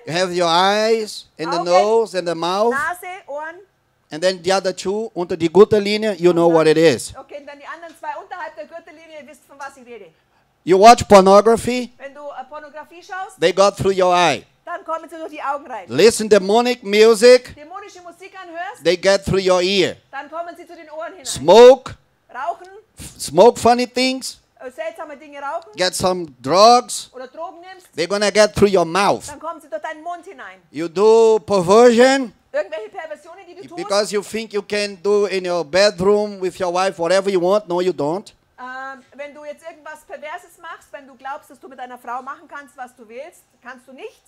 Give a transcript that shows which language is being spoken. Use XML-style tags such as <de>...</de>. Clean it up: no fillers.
<en>You have your eyes and the nose and the mouth.</en> <de>Nase, Ohren.</de> <en>And then the other two</en> <de>unter die Gürtellinie.</de> <en>You know what it is.</en> <de>Okay, und dann die anderen zwei unterhalb der Gürtellinie. Ihr wisst, von was ich rede.</de> <en>You watch pornography.</en> <de>Wenn du Pornografie schaust.</de> <en>They got through your eye.</en> <de>Dann kommen sie durch die Augen rein.</de> <en>Listen demonic music.</en> <de>Dämonische Musik anhörst.</de> <en>They get through your ear.</en> <de>Dann kommen sie zu den Ohren hinein.</de> <en>Smoke.</en> <de>Rauchen.</de> <en>Smoke funny things.</en> <de>Seltsame Dinge rauchen.</de> <en>Get some drugs.</en> <de>Oder Drogen nimmst.</de> <en>They're gonna get through your mouth.</en> <de>Dann kommen sie durch deinen Mund hinein.</de> <en>You do perversion.</en> <de>Irgendwelche Perversionen, die du tust.</de> <en>Because you think you can do in your bedroom with your wife whatever you want. No, you don't.</en> <de>Wenn du jetzt irgendwas Perverses machst, wenn du glaubst, dass du mit deiner Frau machen kannst, was du willst, kannst du nicht.</de>